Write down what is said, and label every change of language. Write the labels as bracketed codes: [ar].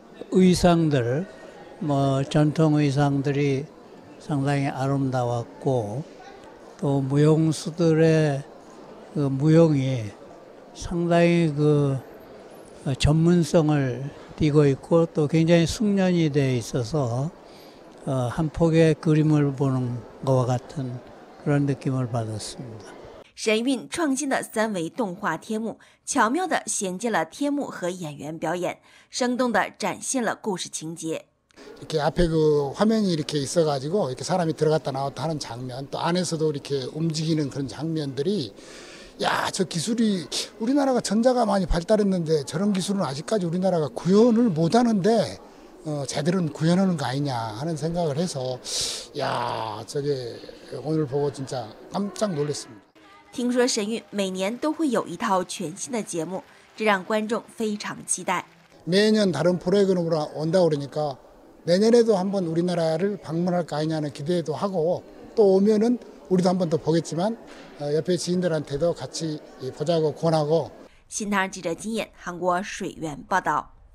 [ko] 의상들, 뭐 전통 의상들이 상당히 아름다웠고, 또 무용수들의 그 무용이 상당히 그 전문성을 띠고 있고, 또 굉장히 숙련이 되어 있어서 한 폭의 그림을 보는 것과 같은 그런 느낌을 받았습니다. [zh] 神韵创新的三维动画天幕巧妙地衔接了天幕和演员表演，生动地展现了故事情节。 [ko] 이렇게 앞에 그 화면이 이렇게 있어가지고 이렇게 사람이 들어갔다 나왔다 하는 장면, 또 안에서도 이렇게 움직이는 그런 장면들이, 야, 저 기술이 우리나라가 전자가 많이 발달했는데 저런 기술은 아직까지 우리나라가 구현을 못하는데 제대로는 구현하는 거 아니냐 하는 생각을 해서, 야, 저게 오늘 보고 진짜 깜짝 놀랐습니다. [zh] 听说神韵每年都会有一套全新的节目，这让观众非常期待。 [ko] 매년 다른 프로그램으로 온다 그러니까 내년에도 한번 우리나라를 방문할 거 아니냐는 기대도 하고, 또 오면은 우리도 한번 더 보겠지만 옆에 지인들한테도 같이 보자고 권하고. 신당 기자 김연, 한국 수연 보도.